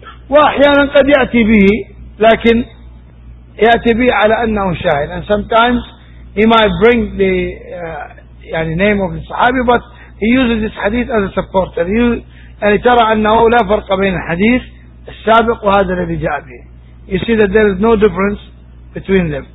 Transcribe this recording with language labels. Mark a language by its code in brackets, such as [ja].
[ar] وأحيانا قد يأتي به لكن يأتي به على أنه شاهد. [en] And sometimes he might bring the [ar] يعني [en] name of the Sahabi but he uses this hadith as a supporter. [ar] يعني ترى أنه لا فرق بين الحديث السابق وهذا الذي جاء به. [en] You see that there is no difference between them.